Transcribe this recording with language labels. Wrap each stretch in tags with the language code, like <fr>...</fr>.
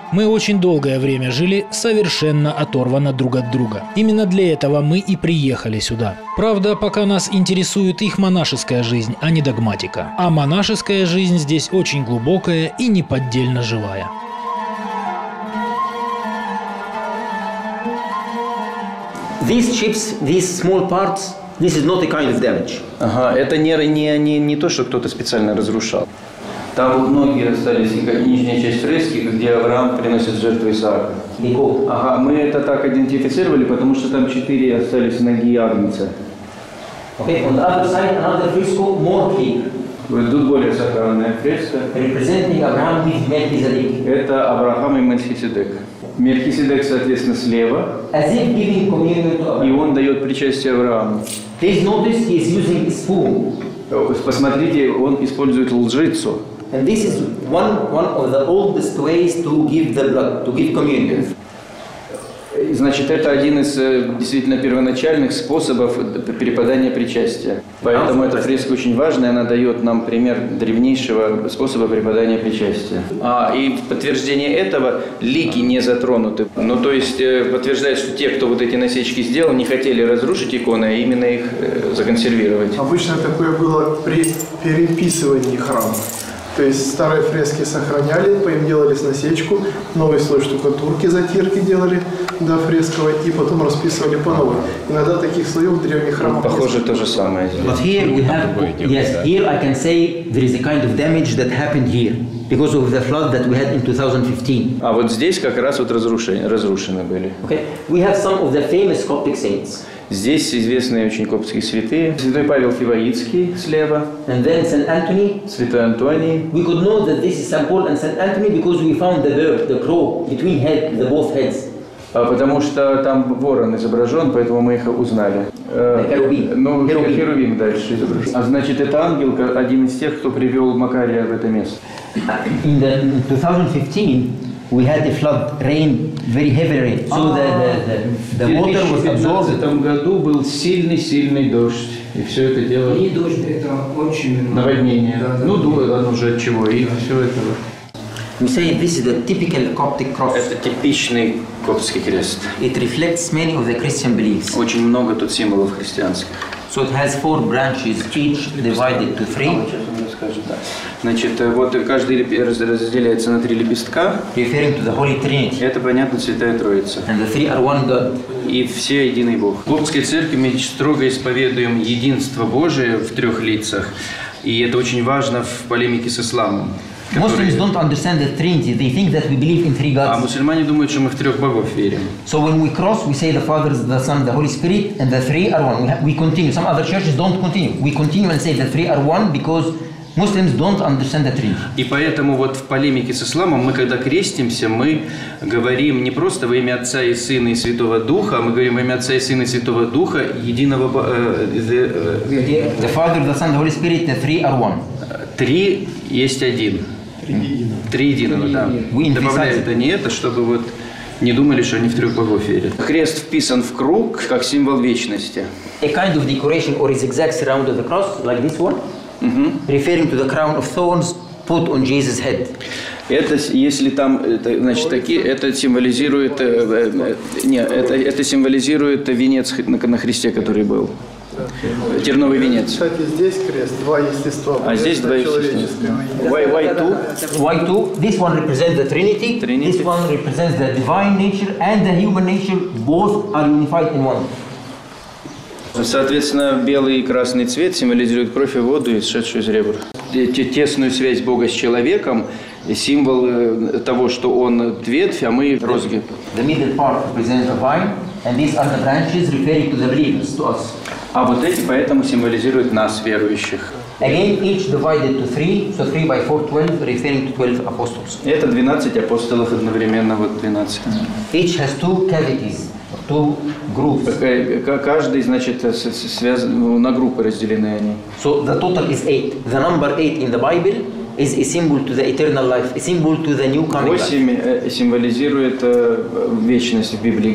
<ru>Мы очень долгое время жили совершенно оторванно друг от друга. Именно для этого мы и приехали сюда. Правда, пока нас интересует их монашеская жизнь, а не догматика. А монашеская жизнь здесь очень глубокая и неподдельно живая.</ru> <en>These chips, these small parts, this is not a kind of damage.</en> <ru>Ага, это не то, что кто-то специально разрушал. Там вот ноги остались, и как нижняя часть фрески, где Авраам приносит жертву Исаака. Ага, мы это так идентифицировали, потому что там четыре остались ноги Агнца.</ru> <en>Okay, on the other side, another fresco, more key.</en> <ru>Вот тут более сохранная фреска.</ru> <en>Representing Abraham with Melchizedek.</en> <ru>Это Авраам и Мельхиседек. Мельхиседек, соответственно, слева.</ru> <en>As if giving communion to Abraham.</en> <ru>И он дает причастие Аврааму.</ru> <en>Please notice he is using his spoon.</en> <ru>Посмотрите, он использует лжицу.</ru> <en>And this is one of the oldest ways to give the blood, to give communion.</en> <ru>Значит, это один из действительно первоначальных способов перепадания причастия. Поэтому эта фреска очень важная, она дает нам пример древнейшего способа преподания причастия. А, и подтверждение этого, лики не затронуты. Ну, то есть, подтверждает, что те, кто вот эти насечки сделал, не хотели разрушить иконы, а именно их законсервировать. Обычно такое было при переписывании храма. То есть старые фрески сохраняли, по им делали насечку, новый слой штукатурки, затирки делали до фресковой, и потом расписывали по новой. Иногда таких слоев в древних храмах. Похоже, то же самое.</ru> <en>But here we have, yes, here I can say there is a kind of damage that happened here because of the flood that we had in 2015.</en> <ru>А вот здесь как раз вот разрушены были.</ru> <en>Okay, we have some of the famous Coptic saints.</en> <ru>Здесь известные очень коптские святые. Святой Павел Фиваитский слева.</ru> <en>And then Saint Anthony.</en> <ru>Святой Антоний.</ru> <en>We could know that this is Saint Paul and Saint Anthony because we found the bird, the crow, between head, the both heads.</en> <ru>Потому что там ворон изображен, поэтому мы их узнали. Херувим. Ну, херувим дальше изображен. А значит, это ангел, один из тех, кто привел Макария в это место.</ru> <en>In the 2015 we had a flood, rain, very heavy rain. So the water was absorbed.</en> <ru>В 2015 году был сильный дождь. И все это дело... Не дождь, это очень... Наводнение. Да, ну, да, ну, уже от чего. И все это...</ru> <en>We say this is the typical Coptic cross.</en> <ru>Это типичный коптский крест.</ru> <en>It reflects many of the Christian beliefs.</en> <ru>Очень много тут символов христианских.</ru> <en>So it has four branches, each divided to three.</en> <ru>Значит, вот каждый разделяется на три лепестка.</ru> <en>Referring to the Holy Trinity.</en> <ru>Это, понятно, Святая Троица.</ru> <en>And the three are one God.</en> <ru>И все единый Бог. В Коптской церкви мы строго исповедуем единство Божие в трех лицах. И это очень важно в полемике с исламом.</ru> <en>Muslims don't understand the Trinity. They think that we believe in three gods.</en> <ru>А мусульмане думают, что мы в трех богов верим.</ru> <en>So when we cross, we say the Father, the Son, the Holy Spirit, and the three are one. We continue. Some other churches don't continue. We continue and say the three are one because Muslims don't understand the Trinity.</en> <ru>И поэтому вот в полемике с исламом мы, когда крестимся, мы говорим не просто во имя Отца и Сына и Святого Духа, а мы говорим во имя Отца и Сына и Святого Духа единого.</ru> <en>The Father, the Son, the Holy Spirit, the three are one.</en> <ru>Три есть один. Три единого. Три единого, да. Добавляют они это, чтобы вот не думали, что они в трех богов верят. Крест вписан в круг, как символ вечности.</ru> <en>A kind of decoration or a zigzag surrounded the cross, like this one, referring to the crown of thorns put on Jesus' head.</en> <ru>Это, если там, это, значит, такие, это символизирует, это символизирует венец на Христе, который был. Терновый венец. Кстати, здесь крест, два естества. А здесь два естества.</ru> <en>Why two? This one represents the Trinity. This one represents the divine nature and the human nature. Both are unified in one.</en> <ru>Соответственно, белый и красный цвет символизируют кровь и воду, исшедшую из ребр. Тесную связь Бога с человеком – символ того, что он ветвь, а мы – розги.</ru> <en>The middle part represents the vine, and these are the branches referring to the believers, to us.</en> <ru>А вот эти поэтому символизируют нас, верующих.</ru> <en>Again, each divided to three, so three by four, 12, referring to 12 apostles.</en> <ru>Это 12 апостолов одновременно, вот 12.</ru> <en>Each has two cavities, two grooves.</en> <ru>Каждый, значит, связан, ну, на группы разделены они.</ru> <en>So the total is eight. The number eight in the Bible is a symbol to the eternal life, a symbol to the new coming.</en> <ru>Восемь символизирует вечность в Библии.</ru>